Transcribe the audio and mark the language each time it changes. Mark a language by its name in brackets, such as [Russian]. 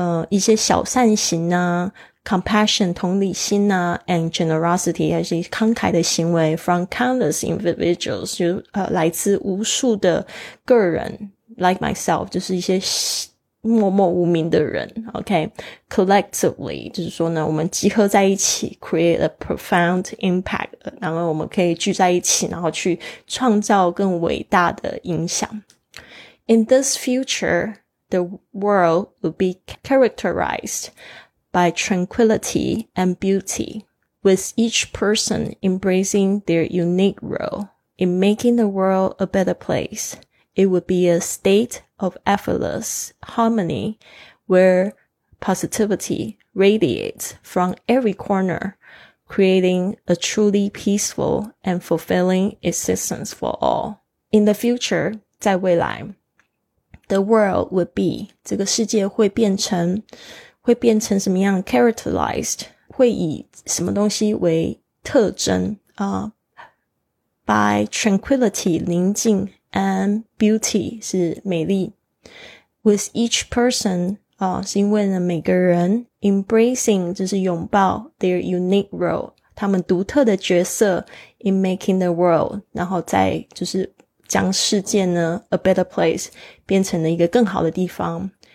[Chinese] 一些小善行啊， compassion, 同理心啊， and generosity, 还是慷慨的行为 from countless individuals, 就来自无数的个人 like myself, 就是一些默默无名的人 OK, collectively, 就是说呢我们集合在一起 create a profound impact, 然后我们可以聚在一起然后去创造更伟大的影响。 [English] In this future, the world will be characterized by tranquility and beauty, with each person embracing their unique role in making the world a better place. It would be a stateOf effortless harmony where positivity radiates from every corner, creating a truly peaceful and fulfilling existence for all. [Chinese] In the future, 在未来 the world would be, 这个世界会变成什么样 characterized, 会以什么东西为特征啊、 by tranquility, 宁静 and beauty, 是美丽 With each person, 是因为呢每个人 embracing, 就是拥抱 their unique role, 他们独特的角色 in making the world, 然后再就是将世界呢 a better place, 变成了一个更好的地方。